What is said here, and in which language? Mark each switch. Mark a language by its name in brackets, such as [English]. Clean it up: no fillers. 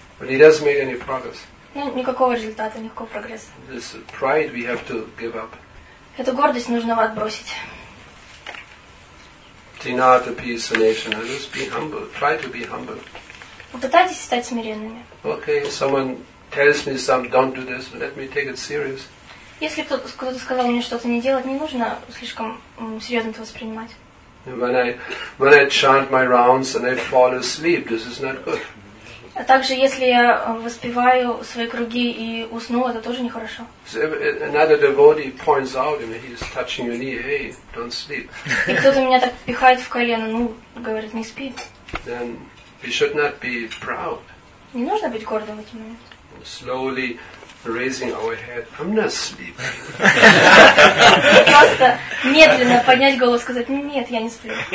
[English] But he doesn't make any progress. [Russian] Ну, никакого результата, никакого прогресса. [English] This pride we have to give up. [Russian] Эту гордость нужно отбросить. [English] Tinata peace nation, just be humble. Try to be humble. [Russian] Попытайтесь стать смиренными. [English] Okay, someone tells me something, don't do this, let me take it serious. [Russian] Если кто-то сказал мне что-то не делать, не нужно слишком серьезно это воспринимать. [English] When I chant my rounds and I fall asleep, this is not good. [Russian] А также, если я воспеваю свои круги и усну, это тоже нехорошо. [English] So another devotee points out, and he's touching your knee, hey, don't sleep. [Russian] И кто-то меня так пихает в колено, ну, говорит, не спи. [English] Then we should not be proud. [Russian] Не нужно быть гордым в этот момент. [English] Slowly raising our head, I'm not sleeping. [Russian] Просто медленно поднять голову и сказать, нет, я не сплю.